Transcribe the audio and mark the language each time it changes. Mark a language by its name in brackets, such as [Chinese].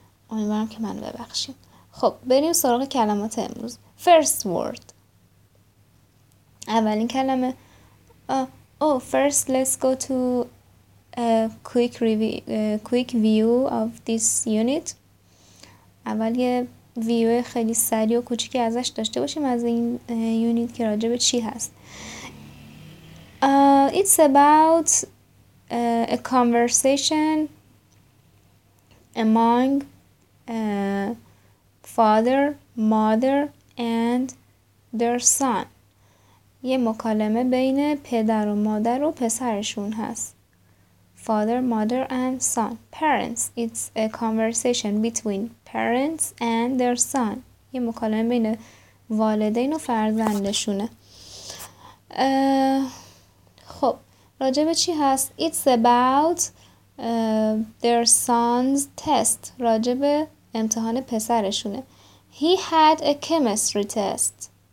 [Persian] امیدوارم که منو ببخشید. خب بریم سراغ کلمات امروز. [English] First word، [Persian] اولین کلمه. [English] First let's go to a quick view of this unit. [Persian] اول یه ویو خیلی سریع و کوچیکی ازش داشته باشیم از این یونیت که راجع به چی هست. [English] It's about a conversation among father, mother and their son. [Persian] یه مکالمه بین پدر و مادر و پسرشون هست. [English] Father, mother and son. Parents. It's a conversation between parents and their son. [Persian] یه مکالمه بین والدین و فرزندشونه. خب راجع به چی هست؟ [English] It's about their son's test. [Persian] راجع به امتحان پسرشونه. [English] He had a chemistry test.